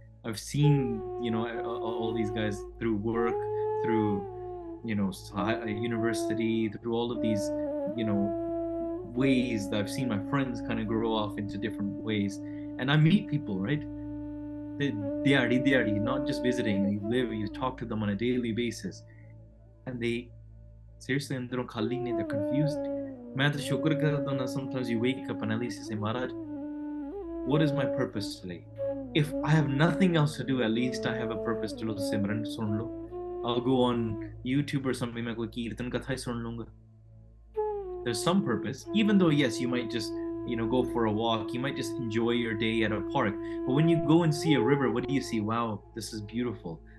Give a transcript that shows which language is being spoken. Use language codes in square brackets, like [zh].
[en] I've seen, you know, all these guys through work, through, you know, university, through all of these, you know, ways that I've seen my friends kind of grow off into different ways. And I meet people, right? They are not just visiting, you live, you talk to them on a daily basis. And they, seriously, they're confused. [pa] ਮੈਂ ਤਾਂ ਸ਼ੁਕਰ ਕਰਦਾ ਹੁੰਦਾ [en] Sometimes you wake up and at least you say Maharaj what is my purpose today if I have nothing else to do, at least I have a purpose to listen to Simran. [pa] Sun lo. [en] I'll go on YouTube or something. [pa] Main koi kirtan katha hi sun lunga. [en] There's some purpose, even though, yes, you might just, you know, go for a walk, you might just enjoy your day at a park. But when you go and see a river, what do you see? Wow, this is beautiful.